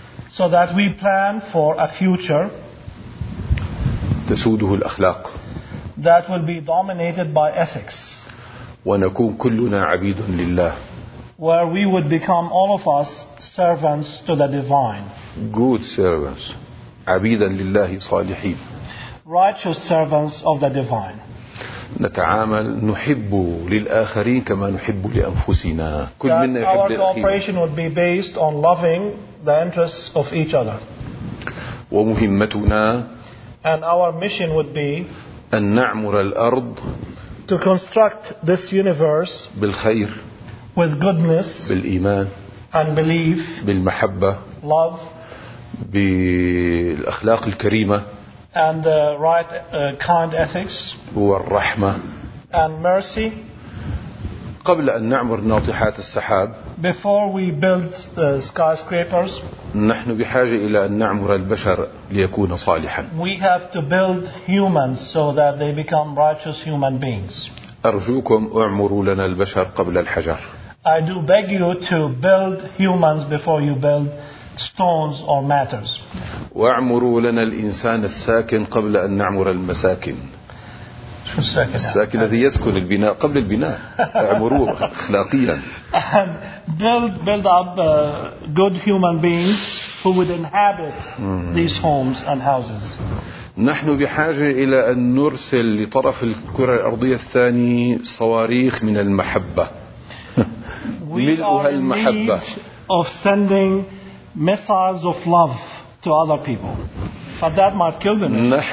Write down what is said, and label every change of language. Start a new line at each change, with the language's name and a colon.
English: so that we plan for a future
Arabic: تسوده الأخلاق
English: that will be dominated by ethics
Arabic: ونكون كلنا عبيد لله
English: where we would become all of us servants to the divine good servants
Arabic: عبيدا لله صالحين
English: righteous servants of the divine
Arabic: نتعامل نحب للآخرين كما نحب لأنفسنا كل منا يحب لأخيه
English: our cooperation would be based on loving the interests of each other.
Arabic: ومهمتنا
English: and our mission would be
Arabic: أن نعمر الأرض
English: to construct this universe
Arabic: بالخير
English: with goodness
Arabic: بالإيمان
English: and belief
Arabic: بالمحبة
English: love
Arabic: بالأخلاق الكريمة
English: and the right kind ethics
Arabic: والرحمة
English: and mercy
Arabic: قبل أن نعمر ناطحات السحاب
English: before we build skyscrapers
Arabic: نحن بحاجة إلى أن نعمر البشر ليكون صالحا
English: we have to build humans so that they become righteous human beings
Arabic: أرجوكم اعمروا لنا البشر قبل الحجر
English: I do beg you to build humans before you build stones or matters.
Arabic: واعمروا لنا الإنسان الساكن قبل أن نعمر المساكن. الساكن الذي يسكن البناء قبل البناء. اعمروه أخلاقياً.
English: And build up good human beings who would inhabit these homes and houses.
Arabic: نحن بحاجة إلى أن نرسل لطرف الكرة الأرضية الثاني صواريخ من المحبة. ملؤها المحبة.
English: Of sending missiles of love to other people. But that might kill them.